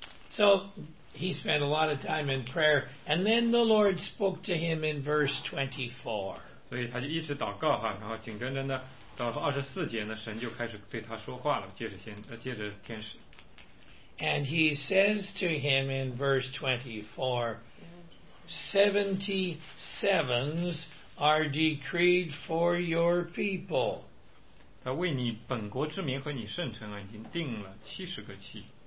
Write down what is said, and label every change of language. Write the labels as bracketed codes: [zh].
[en] So he spent a lot of time in prayer, and then the Lord spoke to him in verse 24. [zh] 所以他就一直祷告，然后紧跟着呢，到了24节呢，神就开始对他说话了，借着天使。 [en] And he says to him in verse 24, 70 sevens are decreed for your people. [zh] 他为你本国之民和你圣城啊，已经定了70个期。